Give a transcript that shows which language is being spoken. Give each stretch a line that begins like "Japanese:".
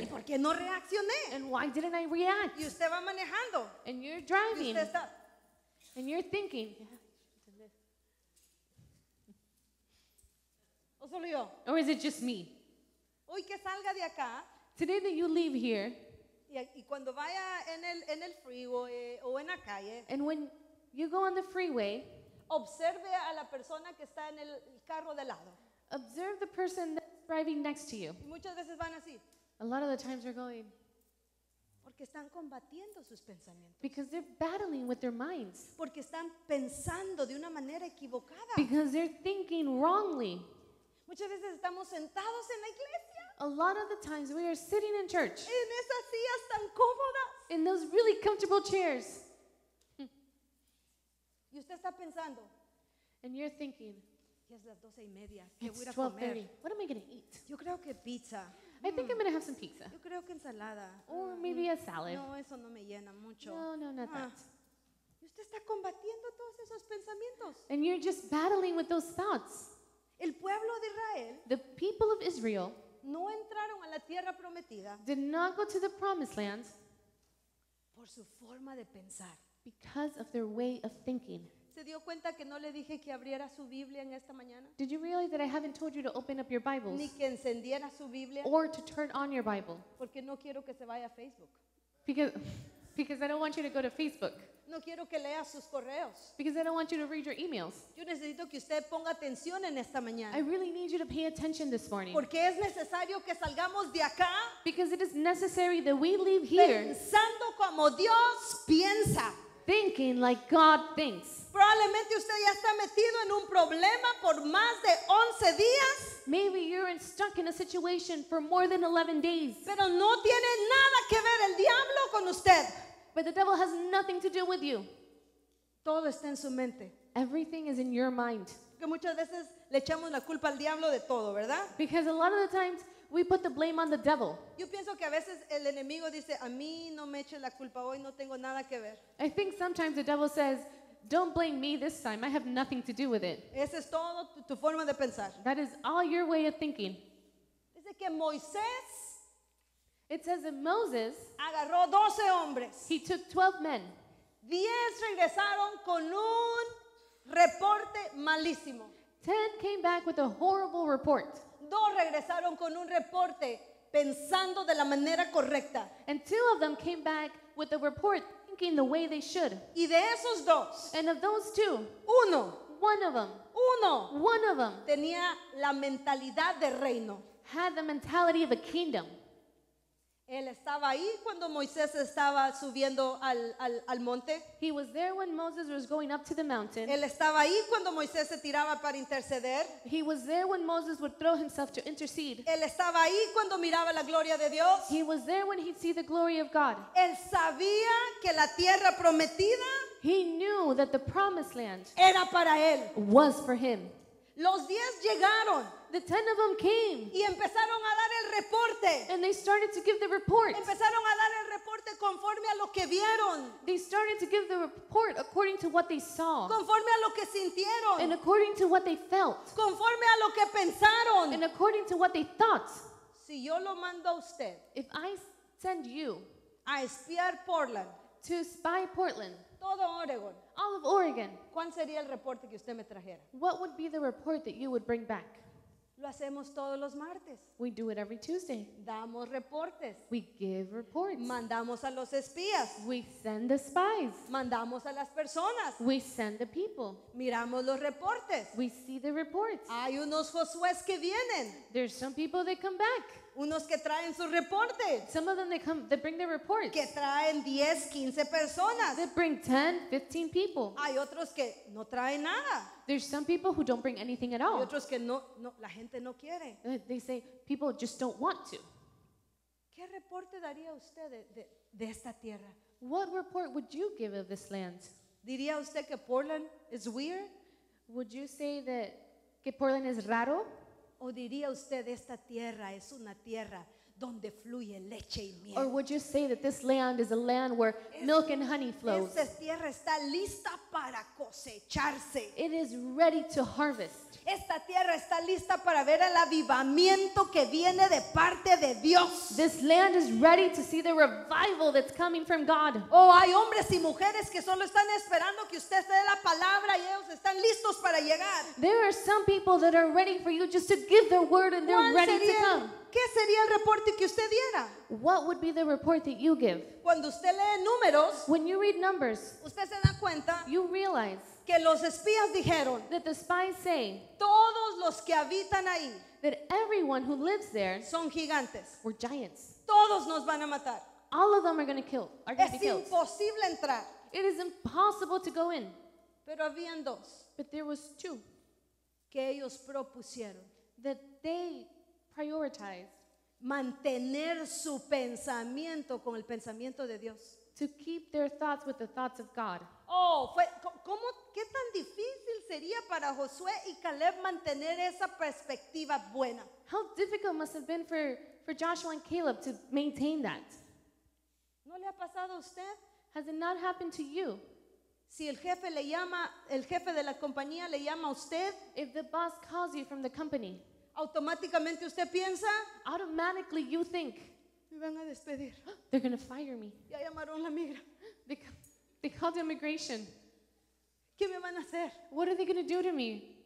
Spanish: ¿Y por qué no reaccioné?
English: And why didn't I react?
Spanish: ¿Y usted va manejando?
English: And you're driving.
Spanish: ¿Y usted está?
English: And you're thinking.
Spanish: ¿O solo yo?
English: Or is it just me?
Spanish: Hoy que salga de acá,
English: today that you leave here,
Spanish: y cuando vaya en el freeway o en la calle,
English: and when you go on the freeway,
Spanish: observe a la persona que está en el carro de lado.
English: Observe the person that's driving next to you.
Spanish: Y muchas veces van así.
English: A lot of the times they're going.
Spanish: Porque están combatiendo sus pensamientos.
English: Because they're battling with their minds.
Spanish: Porque están pensando de una manera equivocada.
English: Because they're thinking wrongly.
Spanish: Muchas veces estamos sentados en la iglesia.
English: A lot of the times we are sitting in church.
Spanish: En esas sillas tan cómodas.
English: In those really comfortable chairs.
Spanish: Y usted está pensando.
English: And you're thinking.
Spanish: Es las 12 y media.
English: It's 12:30. What am I going to eat?
Spanish: Yo creo que pizza.
English: I think I'm going to have some pizza.
Spanish: Yo creo que ensalada.
English: Or maybe a salad.
Spanish: No, eso no me llena mucho.
English: No, not that.
Spanish: Y usted está combatiendo todos esos pensamientos.
English: And you're just battling with those thoughts.
Spanish: El pueblo de Israel,
English: the people of Israel,
Spanish: no entraron a la tierra prometida,
English: did not go to the promised land,
Spanish: por su forma de pensar,
English: because of their way of thinking.
Spanish: ¿Se dio cuenta que no le dije que abriera su Biblia en esta mañana?
English: Did you realize that I haven't told you to open up your Bibles?
Spanish: Ni que encendiera su Biblia.
English: Or to turn on your Bible.
Spanish: Porque no quiero que se vaya a Facebook.
English: Because I don't want you to go to Facebook.
Spanish: No quiero que lea sus correos.
English: Because I don't want you to read your emails.
Spanish: Yo necesito que usted ponga atención en esta mañana.
English: I really need you to pay attention this morning.
Spanish: Porque es necesario que salgamos de acá.
English: Because it is necessary that we leave here.
Spanish: Pensando como Dios piensa.
English: Thinking like God thinks.
Spanish: Probablemente usted ya está metido en un problema por más de 11 días.
English: Maybe you're stuck in a situation for more than 11 days.
Spanish: Pero no tiene nada que ver el diablo con usted.
English: But the devil has nothing to do with you.
Spanish: Todo está en su mente.
English: Everything is in your mind.
Spanish: Que muchas veces le echamos la culpa al diablo de todo, ¿verdad?
English: Because a lot of the times we put the blame on the devil.
Spanish: Yo pienso que a veces el enemigo dice, a mí no me eche la culpa hoy, no tengo nada que ver.
English: I think sometimes the devil says, don't blame me this time, I have nothing to do with it.
Spanish: Ese es todo tu forma de pensar.
English: That is all your way of thinking.
Spanish: Dice que Moisés,
English: it says that Moses
Spanish: agarró 12 hombres.
English: He took 12 men.
Spanish: 10 regresaron con un reporte malísimo.
English: 10 came back with a horrible report.
Spanish: 2 regresaron con un reporte pensando de la manera correcta.
English: And 2 of them came back with a report thinking the way they should.
Spanish: Y de esos 2,
English: and of those 2,
Spanish: uno,
English: one of them,
Spanish: uno,
English: one of them
Spanish: tenía la mentalidad de reino.
English: Had the mentality of a kingdom.
Spanish: Él estaba ahí cuando Moisés estaba subiendo al monte.
English: He was there when Moses was going up to the mountain.
Spanish: Él estaba ahí cuando Moisés se tiraba para interceder.
English: He was there when Moses would throw himself to intercede.
Spanish: Él estaba ahí cuando miraba la gloria de Dios.
English: He was there when he'd see the glory of God.
Spanish: Él sabía que la tierra prometida,
English: he knew that the promised land
Spanish: era para él,
English: was for him.
Spanish: Los 10 llegaron.
English: The 10 of them came.
Spanish: Y empezaron a dar el reporte.
English: And they started to give the report.
Spanish: Empezaron a dar el reporte conforme a lo que vieron.
English: They started to give the report according to what they saw.
Spanish: Conforme a lo que sintieron.
English: And according to what they felt.
Spanish: Conforme a lo que pensaron.
English: And according to what they thought.
Spanish: Si yo lo mando a usted,
English: if I send you
Spanish: a espiar Portland,
English: to spy Portland,
Spanish: todo Oregon,
English: all of Oregon,
Spanish: ¿cuál sería el reporte que usted me trajera?
English: What would be the report that you would bring back?
Spanish: Lo hacemos todos los martes.
English: We do it every Tuesday.
Spanish: Damos reportes.
English: We give reports.
Spanish: Mandamos a los espías.
English: We send the spies.
Spanish: Mandamos a las personas.
English: We send the people.
Spanish: Miramos los reportes.
English: We see the reports.
Spanish: Hay unos Josués que vienen.
English: There's some people that come back.
Spanish: Unos que traen su reporte.
English: Some of them they bring their reports.
Spanish: Que traen 10, 15 personas.
English: They bring 10, 15 people.
Spanish: Hay otros que no traen nada.
English: There's some people who don't bring anything at all.
Spanish: Y otros que no, la gente no quiere.
English: They say people just don't want to.
Spanish: ¿Qué reporte daría usted de esta tierra?
English: What report would you give of this land?
Spanish: ¿Diría usted que Portland
English: is weird? Would you say that
Spanish: que
English: Portland is
Spanish: raro? ¿O diría usted esta tierra es una tierra donde fluye leche y miel?
English: Or would you say that this land is a land where milk and honey flows?
Spanish: Esta tierra está lista para cosecharse.
English: It is ready to harvest.
Spanish: Esta tierra está lista para ver el avivamiento que viene de parte de Dios.
English: This land is ready to see the revival that's coming from God.
Spanish: Oh, hay hombres y mujeres que solo están esperando que usted dé la palabra y ellos están listos para llegar.
English: There are some people that are ready for you just to give their word and they're ready to come.
Spanish: ¿Qué sería el reporte que usted diera?
English: What would be the report that you give?
Spanish: Cuando usted lee números,
English: when you read numbers,
Spanish: usted se da cuenta,
English: you realize,
Spanish: que los espías dijeron,
English: that the spies say,
Spanish: todos los que habitan ahí,
English: that everyone who lives there,
Spanish: son gigantes,
English: were giants,
Spanish: todos nos van a matar,
English: all of them are going to be killed,
Spanish: es imposible entrar,
English: it is impossible to go in,
Spanish: pero habían 2,
English: but there was 2,
Spanish: que ellos propusieron,
English: that they prioritized,
Spanish: mantener su pensamiento con el pensamiento de Dios,
English: to keep their thoughts with the thoughts of God.
Spanish: Oh, fue, ¿cómo, qué tan difícil sería para Josué y Caleb mantener esa perspectiva buena?
English: How difficult must have been for Joshua and Caleb to maintain that?
Spanish: ¿No le ha pasado a usted?
English: Has it not happened to you?
Spanish: Si el jefe le llama, el jefe de la compañía le llama a usted,
English: if the boss calls you from the company,
Spanish: automáticamente usted piensa,
English: automatically you think,
Spanish: me van a despedir.
English: They're going to fire me.
Spanish: Ya llamaron la migra.
English: They called immigration.
Spanish: ¿Qué me van a hacer?
English: What are they going to do to me?